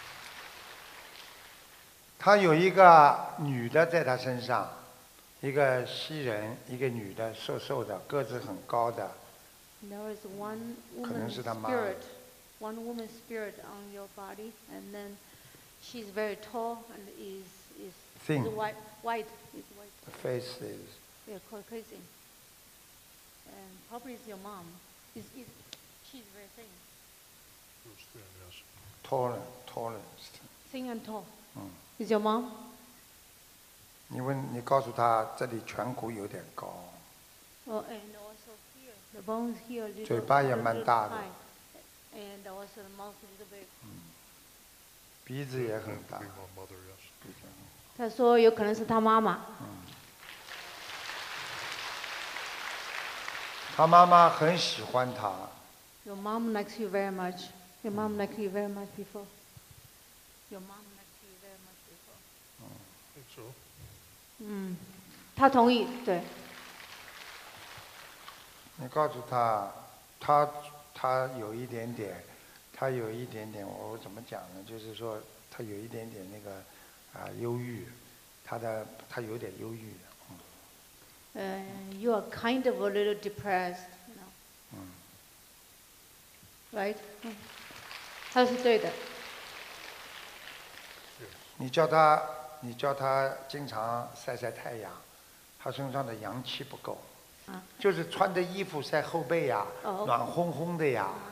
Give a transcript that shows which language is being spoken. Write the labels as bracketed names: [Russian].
[English] Yeah. [Chinese] 他有一个女的在他身上，一个西人，一个女的，瘦瘦的，个子很高的。 [English] There is one woman, [Chinese] 可能是他妈。 [English] Spirit, one woman spirit on your body, and then she's very tall and is thin. White. Is white. The face is. Yeah, Caucasian. And probably is your mom. Is she's very thin. Yes. Tall. Thin and tall. Mm. Is your mom? [Chinese] 你告诉她这里颧骨有点高。 [English] Oh, and also here, the bones here a little. [Chinese] 嘴巴也蛮大的。 [English] And also the mouth a little bit. [Chinese] 鼻子也很大。她说有可能是她妈妈。他妈妈很喜欢他。 [English] Your mom likes you very much. Your mom likes you very much before. Your mom likes you very much before. I think so. [Chinese] 他同意，对。你告诉他，他有一点点，他有一点点，我怎么讲呢？就是说，他有一点点那个啊，忧郁，他有点忧郁的。 [English] You are kind of a little depressed, you know. Right? [Chinese] 他是对的。你叫他经常晒晒太阳，他身上的阳气不够。就是穿着衣服晒后背呀，暖烘烘的呀。